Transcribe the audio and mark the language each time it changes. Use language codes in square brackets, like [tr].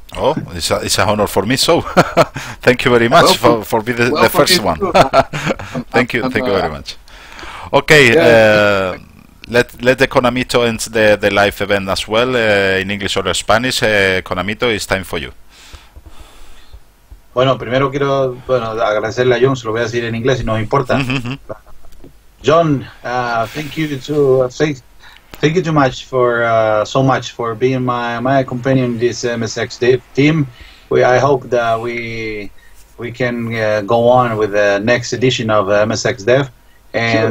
[en] Oh, it's a honor for me. So, thank you very much for being the first one. thank you very much. Okay. Yeah. Let Economito and the live event as well in English or Spanish. Economito, it's time for you. [es] Bueno, primero quiero agradecerle a John, se lo voy a decir en inglés y no me importa. [en] John, thank you so much for being my companion in this MSX team. I hope that we can go on with the next edition of MSX Dev. And sure.